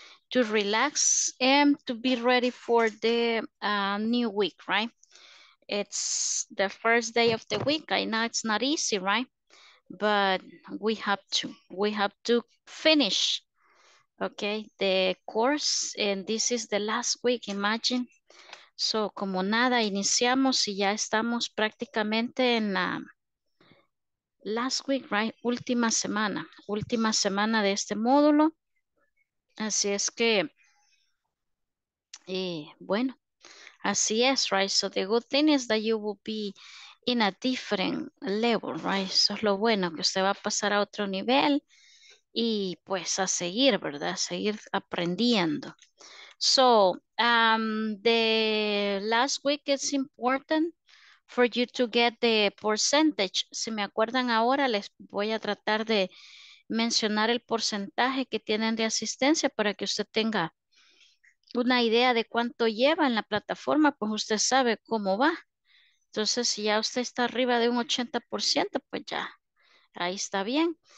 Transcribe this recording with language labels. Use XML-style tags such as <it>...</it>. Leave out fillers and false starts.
<en>To relax and to be ready for the new week, right? It's the first day of the week. I know it's not easy, right? But we have to finish, okay, the course, and this is the last week, imagine.</en> <es>So, como nada, iniciamos y ya estamos prácticamente en la</es> <en>last week,</en> <es>right? Última semana de este módulo. Así es que, bueno, así es, right?</es> <en>So, the good thing is that you will be in a different level, right?</en> <es>Eso es lo bueno, que usted va a pasar a otro nivel y pues a seguir, ¿verdad? A seguir aprendiendo.</es> <en>So, the last week it's important for you to get the percentage.</en> <es>Si me acuerdan ahora, les voy a tratar de mencionar el porcentaje que tienen de asistencia para que usted tenga una idea de cuánto lleva en la plataforma, pues usted sabe cómo va. Entonces, si ya usted está arriba de un 80%, pues ya, ahí está bien.</es>